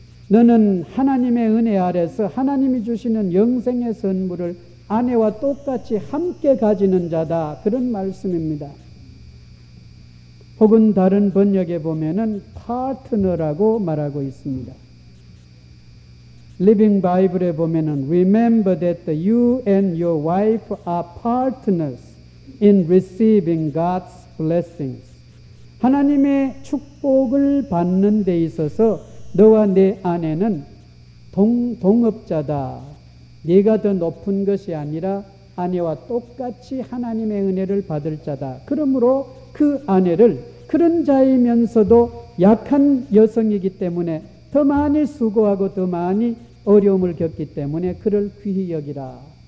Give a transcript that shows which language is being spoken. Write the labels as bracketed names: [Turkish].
[Korean] 너는 하나님의 은혜 아래서 하나님이 주시는 영생의 선물을 아내와 똑같이 함께 가지는 자다 그런 말씀입니다. 혹은 다른 번역에 보면은 파트너라고 말하고 있습니다. Living Bible에 보면은 [English] Remember that you and your wife are partners in receiving God's blessings. [Korean] 하나님의 축복을 받는 데 있어서 너와 내 아내는 동업자다. 네가 더 높은 것이 아니라 아내와 똑같이 하나님의 은혜를 받을 자다. 그러므로 그 아내를 그런 자이면서도 약한 여성이기 때문에 더 많이 수고하고 더 많이 어려움을 겪기 때문에 그를 귀히 여기라.